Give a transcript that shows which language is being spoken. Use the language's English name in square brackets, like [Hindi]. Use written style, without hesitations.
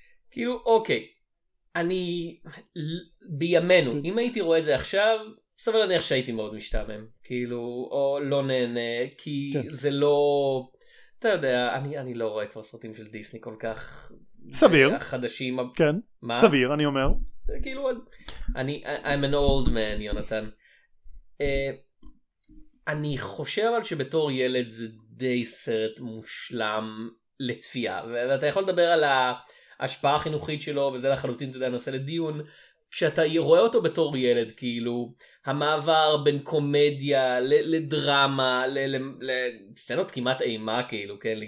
[Hebrew] כאילו, אוקיי, אני בימינו, אם הייתי רואה את זה עכשיו, סבל להניח שהייתי מאוד משתעמם, כאילו, או לא נהנה, כי זה לא, אתה יודע, אני לא רואה כבר סרטים של דיסני כל כך סביר, חדשים, כן, מה? סביר, אני אומר, כאילו, אני, [English] I'm an old man, [Hebrew] יונתן. אני חושב על שבתור ילד זה די סרט מושלם לצפייה, ואתה יכול לדבר על ההשפעה החינוכית שלו, וזה לחלוטין, אתה יודע, נושא לדיון, כשאתה רואה אותו בתור ילד, כאילו, המעבר בין קומדיה לדרמה, לסצנות כמעט אימה, כאילו, כן?